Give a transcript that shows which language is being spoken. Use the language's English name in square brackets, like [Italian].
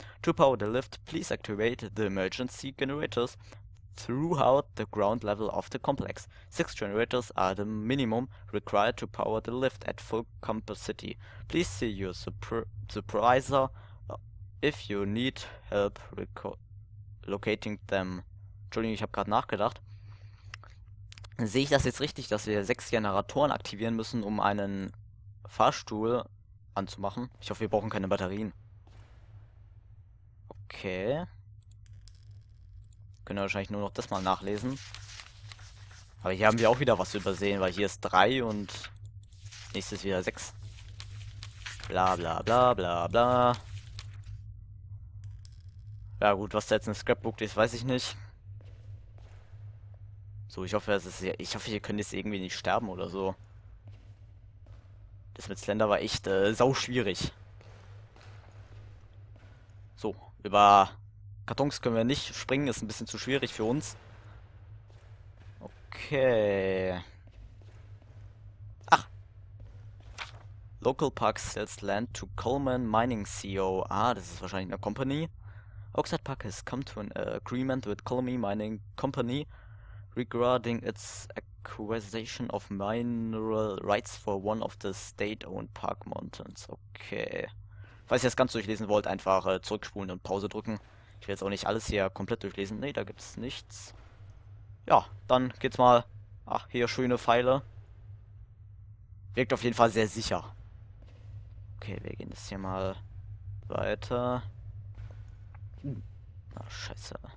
[English] To power the lift, please activate the emergency generators throughout the ground level of the complex. 6 generators are the minimum required to power the lift at full capacity. Please see your supervisor if you need help locating them. [German] Entschuldigung, ich habe gerade nachgedacht. Sehe ich das jetzt richtig, dass wir 6 Generatoren aktivieren müssen, um einen Fahrstuhl anzumachen? Ich hoffe, wir brauchen keine Batterien. Okay. Können wir wahrscheinlich nur noch das mal nachlesen. Aber hier haben wir auch wieder was übersehen, weil hier ist 3 und nächstes wieder 6. Bla bla bla bla bla. Ja gut, was da jetzt ein Scrapbook ist, weiß ich nicht. So, ich hoffe, es ist hier. Ich hoffe, ihr könnt jetzt irgendwie nicht sterben oder so. Das mit Slender war echt sau schwierig. So, über. Kartons können wir nicht springen, ist ein bisschen zu schwierig für uns. Okay. [English] Local Park sells land to Coleman Mining CO. [German] Ah, das ist wahrscheinlich eine Company. [English] Oxide Park has come to an agreement with Coleman Mining Company regarding its acquisition of mineral rights for one of the state-owned park mountains. Okay. [German] Falls ihr das Ganze durchlesen wollt, einfach zurückspulen und Pause drücken. Ich will jetzt auch nicht alles hier komplett durchlesen. Nee, da gibt's nichts. Ja, dann geht's mal. Ach, hier schöne Pfeile. Wirkt auf jeden Fall sehr sicher. Okay, wir gehen das hier mal weiter. Na, scheiße.